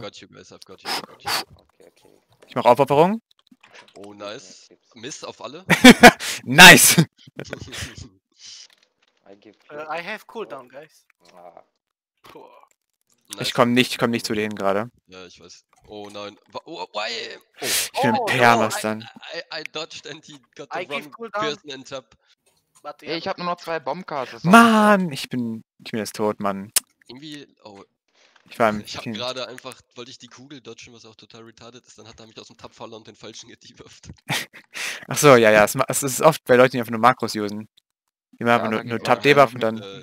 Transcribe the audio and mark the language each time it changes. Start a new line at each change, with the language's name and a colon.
English: I've got you. Okay, okay.
German: Ich mache Aufopferung. Oh, nice. Miss auf alle.
English: Nice! I have cooldown, guys. Nice.
German: Ich komm nicht zu denen gerade. Ja, ich weiß. Oh nein. Why? Ich bin Perlas dann.
English: I dodged and he got the wrong person and tap.
German: Hey, ich hab nur noch 2 Bombcards. Mann, ich bin jetzt tot, Mann. Irgendwie, oh. Ich wollte ich die Kugel dodgen, was auch total retarded ist, dann hat er mich aus dem Tab verloren und den falschen gedebufft. Achso, ja, es ist oft bei Leuten, die einfach nur Makros usen. Immer wenn nur Tab debuffen dann.